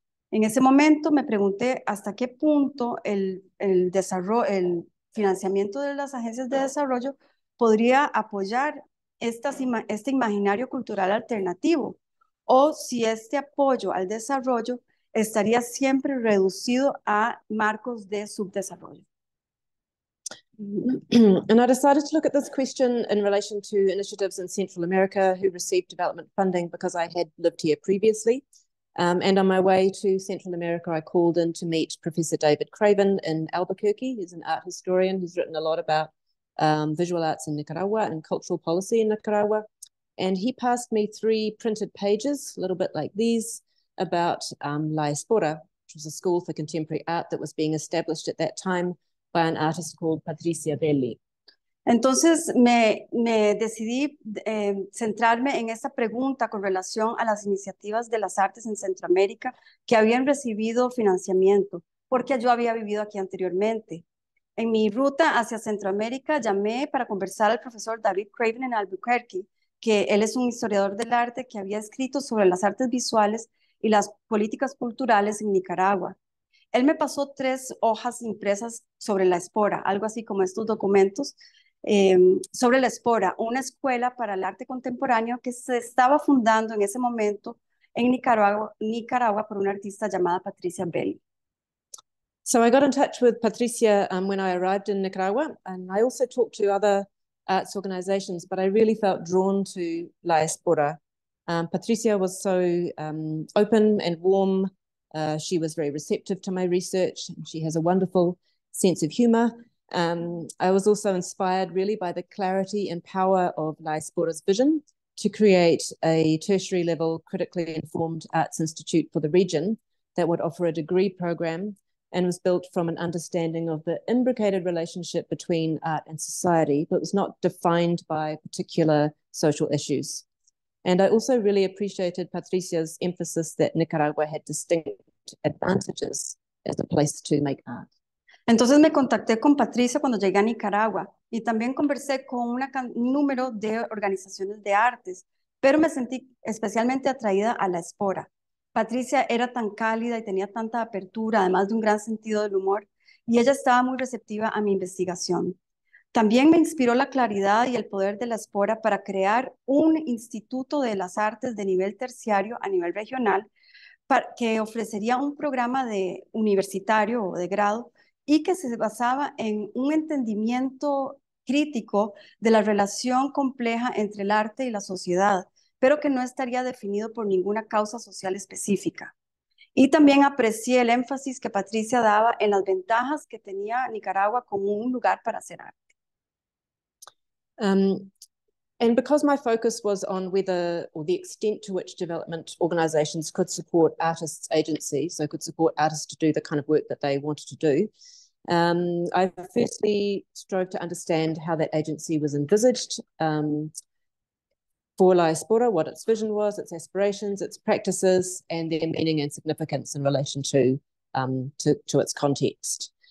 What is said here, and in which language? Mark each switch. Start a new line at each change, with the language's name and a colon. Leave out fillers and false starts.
Spanish: En ese momento me pregunté hasta qué punto el financiamiento de las agencias de desarrollo podría apoyar este imaginario cultural alternativo, o si este apoyo al desarrollo estaría siempre reducido a marcos de subdesarrollo.
English: And I decided to look at this question in relation to initiatives in Central America who received development funding because I had lived here previously. And on my way to Central America, I called in to meet Professor David Craven in Albuquerque. He's an art historian who's written a lot about visual arts in Nicaragua and cultural policy in Nicaragua. And he passed me three printed pages, a little bit like these, about La Espora, which was a school for contemporary art that was being established at that time by an artist called Patricia Belli.
Spanish: Entonces me decidí centrarme en esta pregunta con relación a las iniciativas de las artes en Centroamérica que habían recibido financiamiento, porque yo había vivido aquí anteriormente. En mi ruta hacia Centroamérica llamé para conversar al profesor David Craven en Albuquerque, que él es un historiador del arte que había escrito sobre las artes visuales y las políticas culturales en Nicaragua. Él me pasó tres hojas impresas sobre la Espora, algo así como estos documentos, sobre la Espora, una escuela para el arte contemporáneo que se estaba fundando en ese momento en Nicaragua por una artista llamada Patricia Belli.
English: So I got in touch with Patricia when I arrived in Nicaragua, and I also talked to other arts organizations, but I really felt drawn to La Espora. Patricia was so open and warm. She was very receptive to my research. She has a wonderful sense of humor. I was also inspired really by the clarity and power of La Espora's vision to create a tertiary level, critically informed arts institute for the region that would offer a degree program and was built from an understanding of the imbricated relationship between art and society, but was not defined by particular social issues. And I also really appreciated Patricia's emphasis that Nicaragua had distinct advantages as a place to make art.
Spanish: Entonces me contacté con Patricia cuando llegué a Nicaragua y también conversé con un número de organizaciones de artes, pero me sentí especialmente atraída a la Espora. Patricia era tan cálida y tenía tanta apertura, además de un gran sentido del humor, y ella estaba muy receptiva a mi investigación. También me inspiró la claridad y el poder de la Espora para crear un instituto de las artes de nivel terciario a nivel regional que ofrecería un programa de universitario o de grado y que se basaba en un entendimiento crítico de la relación compleja entre el arte y la sociedad, pero que no estaría definido por ninguna causa social específica. Y también aprecié el énfasis que Patricia daba en las ventajas que tenía Nicaragua como un lugar para hacer arte.
English: And because my focus was on whether or the extent to which development organizations could support artists' agency, so could support artists to do the kind of work that they wanted to do, I firstly strove to understand how that agency was envisaged for La Espora, what its vision was, its aspirations, its practices, and their meaning and significance in relation to its context.